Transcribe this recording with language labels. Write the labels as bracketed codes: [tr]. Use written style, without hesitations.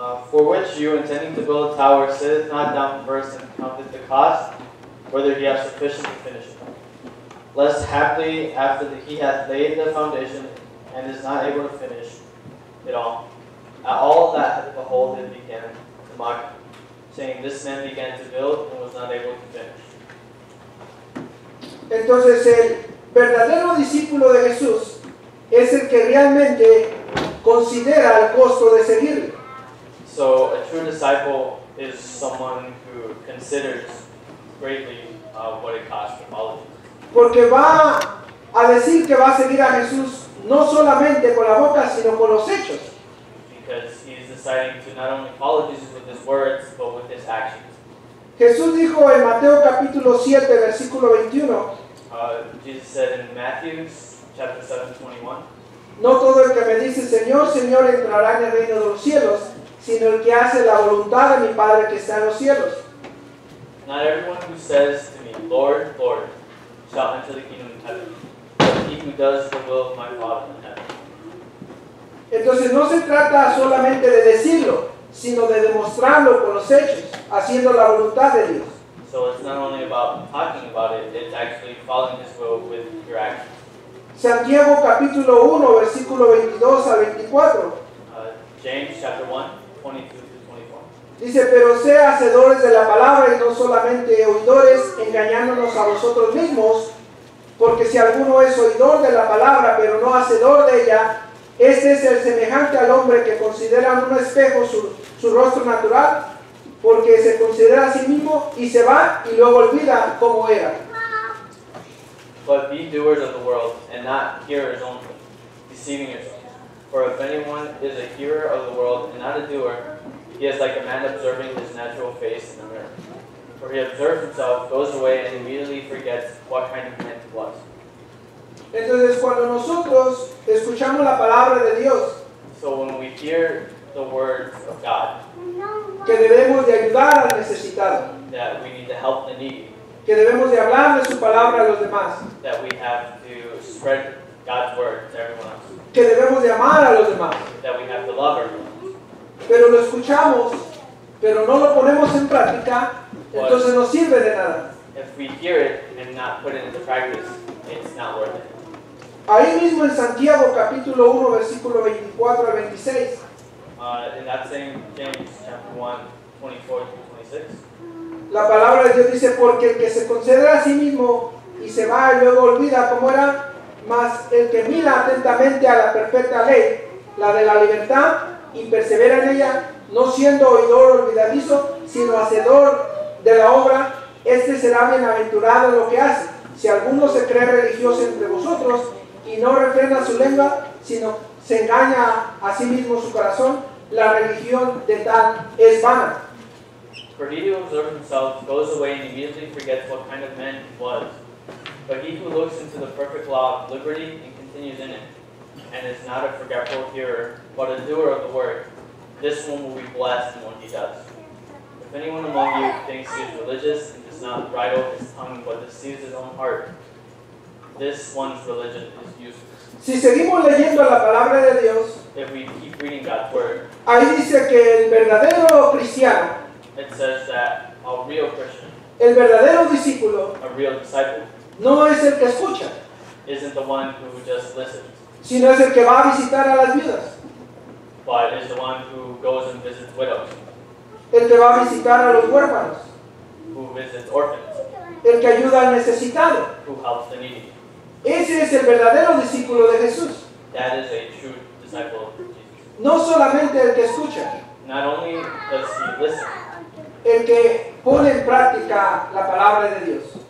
[en] For which you, intending to build a tower, sitteth not down first and counteth the cost, whether he hath sufficient to finish it. Lest haply, after that he hath laid the foundation and is not able to finish it all, at all that behold it began to mock him, saying, this man began to build and was not able to finish. [es] Entonces, el verdadero discípulo de Jesús es el que realmente considera el costo de seguirle. [en] So a true disciple is someone who considers greatly what it costs to follow Jesus. [es] Porque va a decir que va a seguir a Jesús no solamente con la boca, sino con los hechos. [en] Because he is deciding to not only follow Jesus with his words, but with his actions. [es] Jesús dijo en Mateo capítulo 7, versículo 21. [en] Jesus said in Matthew chapter 7:21. [es] No todo el que me dice Señor, Señor entrará en el reino de los cielos, sino el que hace la voluntad de mi Padre que está en los cielos. [en] Not everyone who says to me, Lord, Lord, shall enter the kingdom of heaven, but he who does the will of my Father in heaven. [es] Entonces no se trata solamente de decirlo, sino de demostrarlo con los hechos, haciendo la voluntad de Dios. [en] So it's not only about talking about it, it's actually following his will with your actions. [es] Santiago capítulo 1, versículo 22 al 24. [en] James chapter 1:22-24. [es] Dice, pero sé hacedores de la palabra y no solamente oidores, engañándonos a vosotros mismos, porque si alguno es oidor de la palabra, pero no hacedor de ella, este es el semejante al hombre que considera en un espejo su rostro natural, porque se considera a sí mismo y se va y luego olvida cómo era. [en] But be doers of the world and not hearers only, deceiving yourselves. For if anyone is a hearer of the world and not a doer, he is like a man observing his natural face in a mirror. For he observes himself, goes away, and immediately forgets what kind of man he was. [es] Entonces, cuando nosotros escuchamos la palabra de Dios, [en] so when we hear the words of God, [es] que debemos de ayudar al necesitado, [en] that we need to help the needy, [es] que debemos de hablar de su palabra a los demás, [en] that we have to spread God's word to everyone else, [es] que debemos de amar a los demás, [en] that we have to love everyone, [es] pero lo escuchamos, pero no lo ponemos en práctica, entonces no sirve de nada. [en] If we hear it and not put it into practice, it's not worth it. [es] Ahí mismo en Santiago capítulo 1 versículo 24 al 26. [en] In that same James chapter 1, 24 to 26. [es] La palabra de Dios dice, porque el que se considera a sí mismo y se va y luego olvida como era, mas el que mira atentamente a la perfecta ley, la de la libertad, y persevera en ella, no siendo oidor olvidadizo, sino hacedor de la obra, este será bienaventurado en lo que hace. Si alguno se cree religioso entre vosotros y no refrena su lengua, sino se engaña a sí mismo su corazón, la religión de tal es vana. [en] For he who observes himself goes away and immediately forgets what kind of man he was. But he who looks into the perfect law of liberty and continues in it, and is not a forgetful hearer, but a doer of the word, this one will be blessed in what he does. If anyone among you thinks he is religious and does not bridle his tongue but deceives his own heart, this one's religion is useless. [es] Si seguimos leyendo la palabra de Dios, [en] if we keep reading God's word, [es] ahí dice que el verdadero cristiano, [en] it says that a real Christian, [es] el verdadero discípulo, [en] a real disciple, [es] no es el que escucha, [en] isn't the one who just listens, [es] sino es el que va a visitar a las viudas, [en] but is the one who goes and visits widows, [es] el que va a visitar a los huérfanos, [en] who visits orphans, [es] el que ayuda al necesitado, [en] who helps the needy. [es] Ese es el verdadero discípulo de Jesús. [en] That is a true disciple of Jesus. [es] No solamente el que escucha, [en] not only does he listen, [es] el que pone en práctica la palabra de Dios,